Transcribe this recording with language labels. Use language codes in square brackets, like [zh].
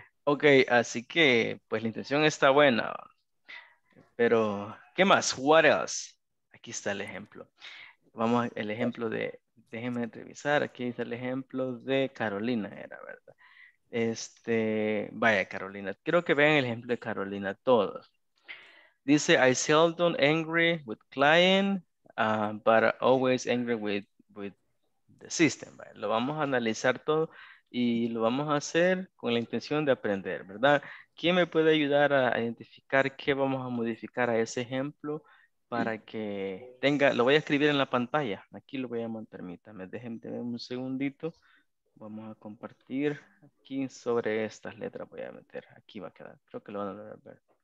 [es] Ok, así que pues la intención está buena. Pero, ¿qué más? [en] What else? [es] Aquí está el ejemplo. Vamos, el ejemplo de, déjenme revisar, aquí está el ejemplo de Carolina, era verdad. Este, vaya Carolina, creo que vean el ejemplo de Carolina todos. [en] Dice, I seldom angry with client, but always angry with the system. [es] ¿Vale? Lo vamos a analizar todo y lo vamos a hacer con la intención de aprender, ¿verdad? ¿Quién me puede ayudar a identificar qué vamos a modificar a ese ejemplo para que tenga, lo voy a escribir en la pantalla. Aquí lo voy a mantener, permítame, déjenme un segundito. Vamos a compartir aquí sobre estas letras, voy a meter, aquí va a quedar, creo que lo van a ver.